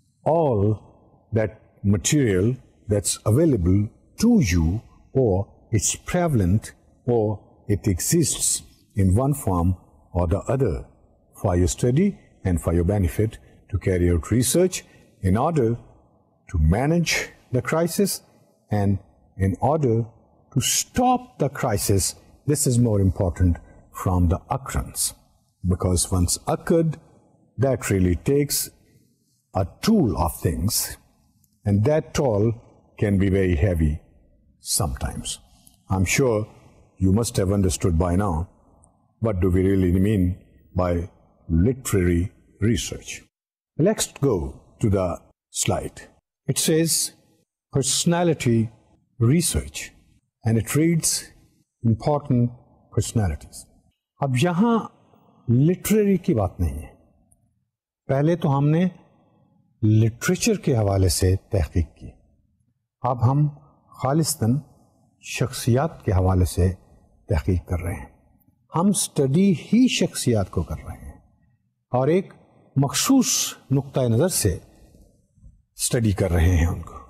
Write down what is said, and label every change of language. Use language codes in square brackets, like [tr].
[en] all that material that's available to you or it's prevalent or it exists in one form or the other for your study and for your benefit to carry out research in order to manage the crisis and in order to stop the crisis. This is more important from the occurrence, because once occurred that really takes a tool of things, and that toll can be very heavy sometimes. I'm sure you must have understood by now what do we really mean by literary research. Let's go to the slide. It says personality research and it reads important personalities. [ur] Ab yahan literary ki baat nahi hai. Pehle to humne literature کے حوالے سے تحقیق کی، اب ہم خالصتاً شخصیات کے حوالے سے تحقیق کر رہے ہیں. ہم سٹڈی ہی شخصیات کو کر رہے ہیں اور ایک مخصوص نقطۂ نظر سے سٹڈی کر رہے ہیں ان کو.